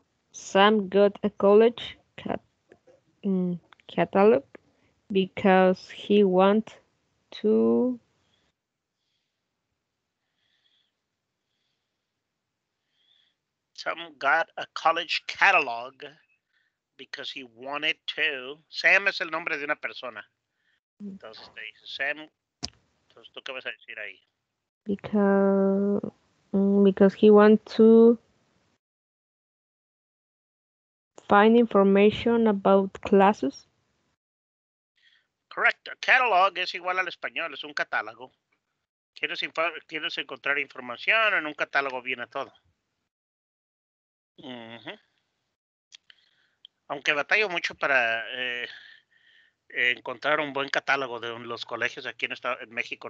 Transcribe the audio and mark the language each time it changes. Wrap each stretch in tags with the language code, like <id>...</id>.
<en>Sam got a college catalog because he want to. Sam got a college catalog because he wanted to.</en> <es>Sam es el nombre de una persona. Entonces te dice Sam, entonces tú qué vas a decir ahí.</es> <en>Because he want to find information about classes. Correct.</en> <es>A catalog es igual al español, es un catálogo. Quieres encontrar información, en un catálogo viene todo. Uh-huh. Aunque batallo mucho para encontrar un buen catálogo de los colegios aquí en México.</es>